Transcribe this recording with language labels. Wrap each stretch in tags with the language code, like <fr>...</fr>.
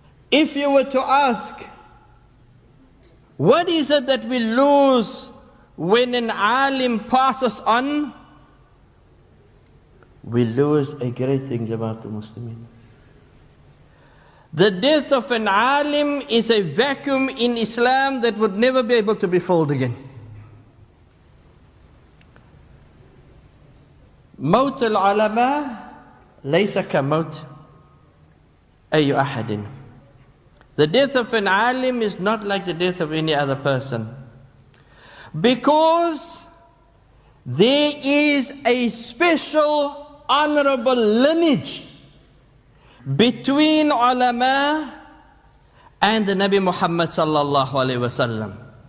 <en>If you were to ask, what is it that we lose when an alim passes on? We lose a great thing about the Muslimin. The death of an alim is a vacuum in Islam that would never be able to be filled again.</en> <ar>موت العلماء ليس كموت أي أحد.</ar> <en>The death of an alim is not like the death of any other person. Because there is a special honorable lineage between ulama and the Nabi Muhammad sallallahu alaihi wasallam.</en>